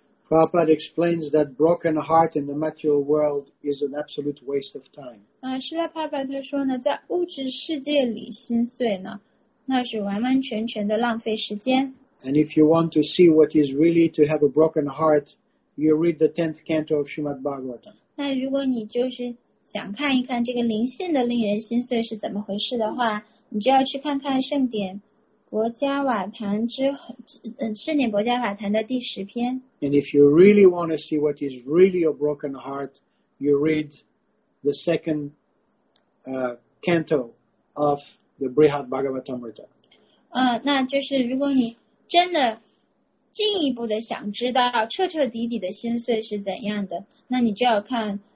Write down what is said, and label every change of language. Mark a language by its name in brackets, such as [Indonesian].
[English] Prabhupada explains that broken heart in the material world is an absolute waste of time. [Chinese] Srila Prabhupada 说呢，在物质世界里心碎呢，那是完完全全的浪费时间。 [English] And if you want to see what is really to have a broken heart, you read the 10th canto of Srimad Bhagavatam. [Chinese] 那如果你就是想看一看这个灵性的令人心碎是怎么回事的话，你就要去看看圣典国家瓦坛之圣典国家瓦坛的第十篇。 [English] And if you really want to see what is really a broken heart, you read the second canto of the Brihad Bhagavatamrita. [Chinese] 那就是如果你真的进一步的想知道彻彻底底的心碎是怎样的，那你就要看。